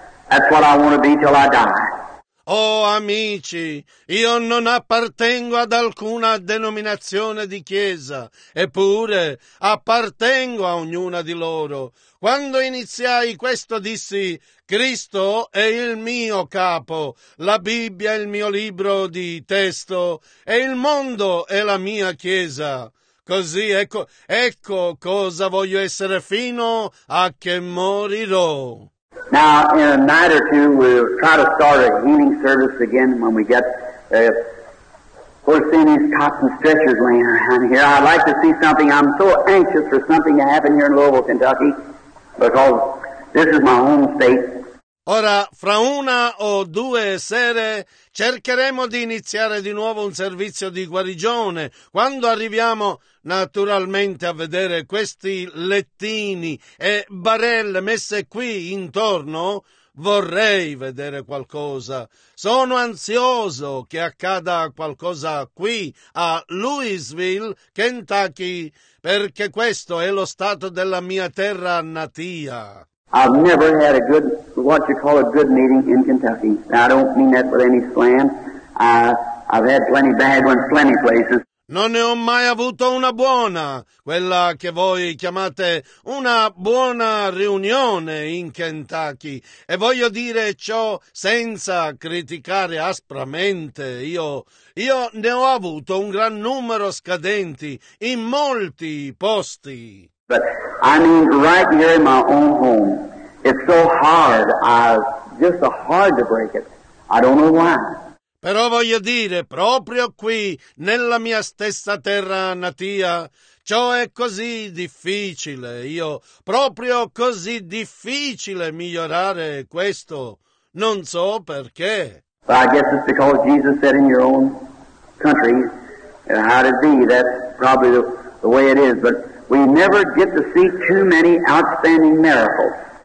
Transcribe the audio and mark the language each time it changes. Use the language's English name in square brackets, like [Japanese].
[English] That's what I want to be till I die. [Italian] Oh, amici, io non appartengo ad alcuna denominazione di chiesa, eppure appartengo a ognuna di loro. Quando iniziai questo dissi, "Cristo è il mio capo, la Bibbia è il mio libro di testo e il mondo è la mia chiesa." Così, ecco, ecco cosa voglio essere fino a che morirò. [English] Now, in a night or two, we'll try to start a healing service again when we get, seeing these cots and stretchers laying around here. I'd like to see something. I'm so anxious for something to happen here in Louisville, Kentucky, because this is my home state. [Italian] Ora, fra una o due sere, cercheremo di iniziare di nuovo un servizio di guarigione. Quando arriviamo, naturalmente, a vedere questi lettini e barelle messe qui intorno, vorrei vedere qualcosa. Sono ansioso che accada qualcosa qui, a Louisville, Kentucky, perché questo è lo stato della mia terra natia. [English] I've never had a good, what you call a good meeting in Kentucky. Now, I don't mean that with any slam. I've had plenty bad ones, plenty places. [Italian] Non ne ho mai avuto una buona, quella che voi chiamate una buona riunione in Kentucky. E voglio dire ciò senza criticare aspramente. Io ne ho avuto un gran numero scadenti in molti posti. [English] But I mean, right here in my own home, it's so hard. Just so hard to break it. I don't know why. [Italian] Però voglio dire, proprio qui, nella mia stessa terra natia, ciò è così difficile. Io proprio così difficile migliorare questo. Non so perché. [English] But I guess it's because Jesus said in your own country, and how to be. That's probably the way it is. But we never get to see too many outstanding miracles.